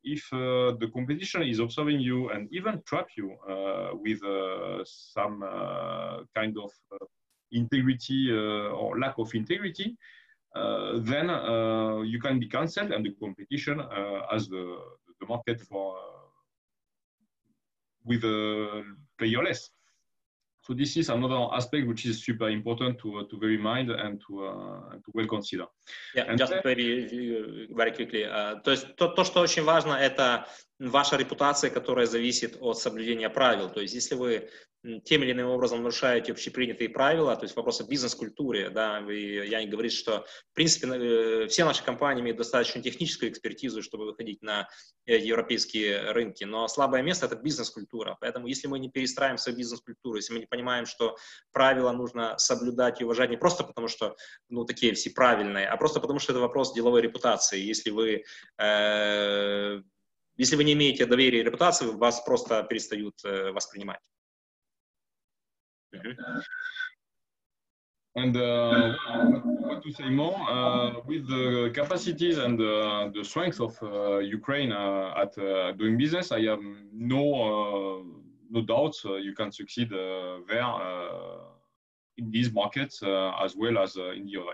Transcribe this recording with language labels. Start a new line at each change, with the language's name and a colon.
English: If the competition is observing you and even trap you with some kind of integrity or lack of integrity, then you can be cancelled and the competition as the market for with a player less. So this is another aspect which is super important to bear in mind and to well consider. Yeah, and just maybe very quickly.
Russian: То, что очень важно, это ваша репутация, которая зависит от соблюдения правил. То есть если вы тем или иным образом нарушаете общепринятые правила, то есть вопросы бизнес-культуры, да, я не говорю, что в принципе все наши компании имеют достаточно техническую экспертизу, чтобы выходить на европейские рынки, но слабое место — это бизнес-культура, поэтому если мы не перестраиваем свою бизнес-культуру, если мы не понимаем, что правила нужно соблюдать и уважать не просто потому, что ну такие все правильные, а просто потому, что это вопрос деловой репутации, если вы не имеете доверия и репутации, вас просто перестают воспринимать. Mm-hmm.
English: And what to say more, with the capacities and the strength of Ukraine at doing business, I have no doubts you can succeed there in these markets as well as in the other.